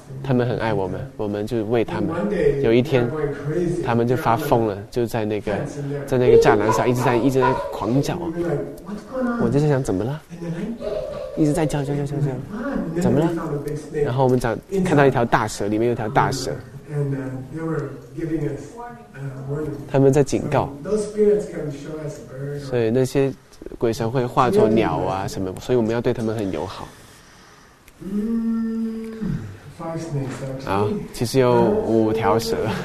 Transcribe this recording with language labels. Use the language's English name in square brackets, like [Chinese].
[Chinese] 他们很爱我们，我们就喂他们。有一天他们就发疯了，就在那个栅栏上一直在狂叫。我就在想怎么了，一直在叫叫叫叫叫，怎么了？然后我们看到一条大蛇，里面有条大蛇， [English] And they were giving us warning. [Chinese] 他们在警告。 [English] So, those spirits can show us birds. [Chinese] 所以那些鬼神会化作鸟啊什么，所以我们要对他们很友好。 [English] Five snakes actually. [Chinese] 啊，其实有五条蛇。